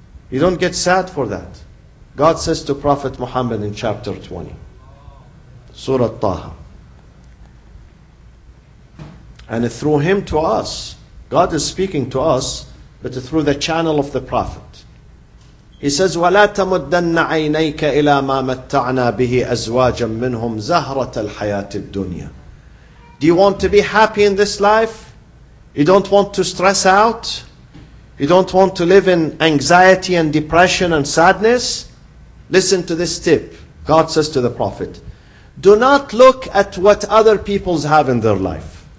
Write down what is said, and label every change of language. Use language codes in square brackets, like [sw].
[en] You don't get sad for that. God says to Prophet Muhammad in chapter 20, Surah Taha. And through him to us, God is speaking to us, but through the channel of the Prophet. He says, [ar] وَلَا تَمُدَّنَّ عَيْنَيْكَ إِلَى مَا مَتَّعْنَا بِهِ أَزْوَاجًا مِّنْهُمْ زَهْرَةَ الْحَيَاةِ الدُّنْيَا. [en] Do you want to be happy in this life? You don't want to stress out? You don't want to live in anxiety and depression and sadness? Listen to this tip. God says to the Prophet, do not look at what other peoples have in their life.